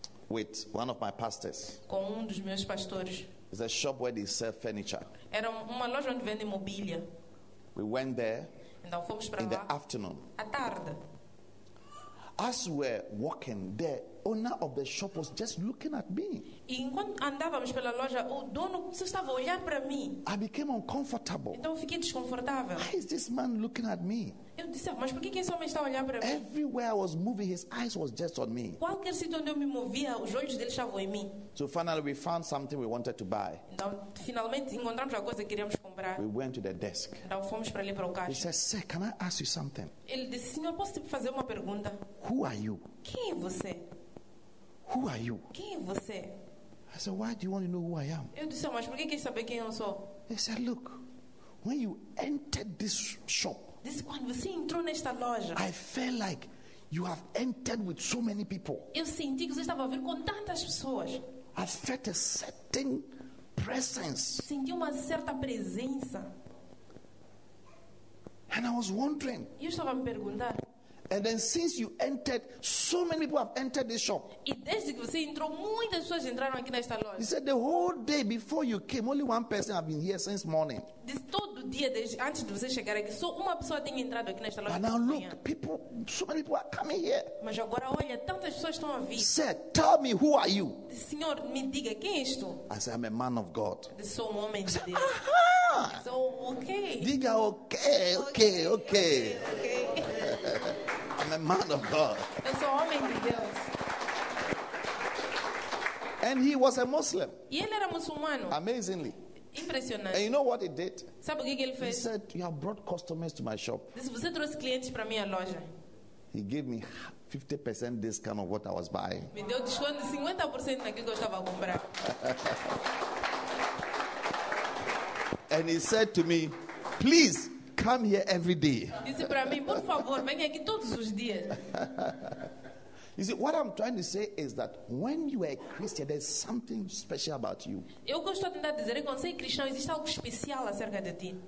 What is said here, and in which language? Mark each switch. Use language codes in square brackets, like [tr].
[en] With one of my pastors. [pt] Com dos meus pastores. [en] It's a shop where they sell furniture. [pt] Era uma loja onde vende mobília. [en] We went there. [pt] Então fomos para lá. [en] In the afternoon. [pt] À tarde. [en] As we were walking there, owner of the shop was just looking at me. [pt] E enquanto andávamos pela loja, o dono só estava a olhar para mim. [en] I became uncomfortable. [pt] Então eu fiquei desconfortável. [en] Why is this man looking at me? [pt] Eu disse, mas por que esse homem está a olhar para mim? [en] Everywhere I was moving, his eyes was just on me. [pt] Qualquer sítio onde eu me movia, os olhos dele estavam em mim. [en] So finally we found something we wanted to buy. [pt] Então finalmente encontramos a coisa que queríamos comprar. [en] We went to the desk. [pt] Então fomos para ali para o caixa. [en] He said, "Sir, can I ask you something?" [pt] Ele disse, senhor, posso te fazer uma pergunta? [en] Who are you? [pt] Quem é você? [en] Who are you? [pt] Quem é você? [en] I said, "Why do you want to know who I am?" [pt] Eu disse, mas por que quer saber quem eu sou? [en] He said, "Look, when you entered this shop." [pt] Diz, quando você entrou nesta loja. [en] I felt like you have entered with so many people. [pt] Eu senti que você estava a vir com tantas pessoas. [en] I felt a certain presence. [pt] Senti uma certa presença. [en] And I was wondering. [pt] Eu estava a me perguntar. [en] And then since you entered, so many people have entered this shop. [pt] E desde que você entrou, muitas pessoas entraram aqui nesta loja. [en] He said, "The whole day before you came, only one person has been here since morning." [pt] Diz, todo dia desde antes de você chegar aqui, só uma pessoa tem entrado aqui nesta loja. [en] But now look, people, so many people are coming here. [pt] Mas agora olha, tantas pessoas estão a vir. [en] He said, "Tell me, who are you?" [pt] Diz, senhor, me diga, quem és tu? [en] I said, "I'm a man of God." [pt] Diz, sou um homem de Deus. [en] I said, "Aha!" So, okay. Diga, okay, okay, okay. Okay, okay. Okay. I'm a man of God. [pt] Eu sou homem de Deus. [en] And he was a Muslim. [pt] E ele era muçulmano. [en] Amazingly. [pt] Impressionante. [en] And you know what he did? [pt] Sabe o que ele fez? [en] He said, "You have brought customers to my shop." [pt] Disse, você trouxe clientes para minha loja. [en] He gave me 50% discount of what I was buying. [pt] Me deu desconto de 50% daquilo que eu estava a comprar. [en] And he said to me, "Please come here every day." [pt] Disse para mim, por favor, venha aqui todos os dias. [en] You see, what I'm trying to say is that when you are a Christian, there's something special about you. [pt] Eu gosto de tentar dizer que quando você é cristão, existe algo especial acerca de ti.